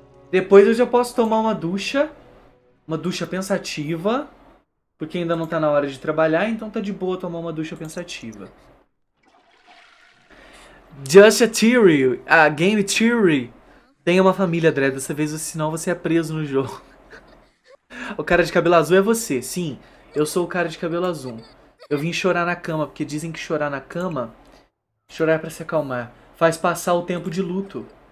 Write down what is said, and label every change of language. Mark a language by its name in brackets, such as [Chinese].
[Portuguese] Depois eu já posso tomar uma ducha pensativa, porque ainda não tá na hora de trabalhar, então tá de boa tomar uma ducha pensativa. [English] Just a theory, a game theory. [Portuguese] Tenha uma família, Dredd. Dessa vez, senão você é preso no jogo. O cara de cabelo azul é você. Sim, eu sou o cara de cabelo azul. Eu vim chorar na cama, porque dizem que chorar na cama, chorar é pra se acalmar, faz passar o tempo de luto.